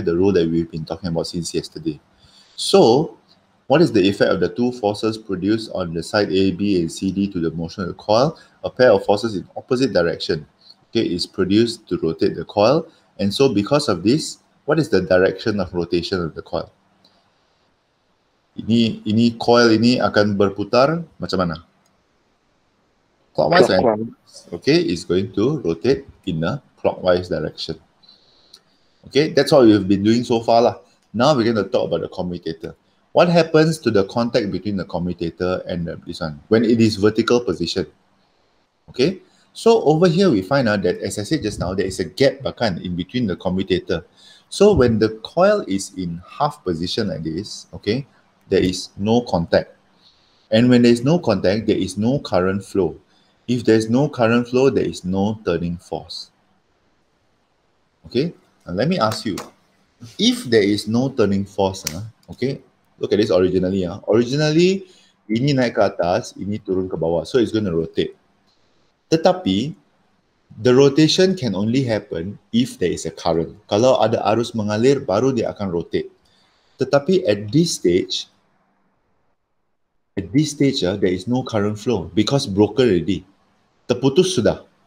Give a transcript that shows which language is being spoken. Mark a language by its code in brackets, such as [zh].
[en] The rule that we've been talking about since yesterday. So, what is the effect of the two forces produced on the side AB and CD to the motion of the coil? A pair of forces in opposite direction, okay, is produced to rotate the coil. And so, because of this, what is the direction of rotation of the coil? [ms] Ini coil ini akan berputar macam mana? [en] Clockwise. Okay, it's going to rotate in a clockwise direction. Okay, that's all we've been doing so far, lah. Now we're going to talk about the commutator. What happens to the contact between the commutator and this one when it is vertical position? Okay, so over here we find out that, as I said just now, there is a gap in between the commutator. So when the coil is in half position like this, okay, there is no contact. And when there is no contact, there is no current flow. If there is no current flow, there is no turning force. Okay, now let me ask you. If there is no turning force, okay, look at this originally. [ms] Originally, ini naik ke atas, ini turun ke bawah. [en] So, it's going to rotate. [ms] Tetapi, [en] the rotation can only happen if there is a current. [ms] Kalau ada arus mengalir, baru dia akan [en] rotate. [ms] Tetapi, [en] at this stage, there is no current flow because broken already. [ms] Terputus sudah.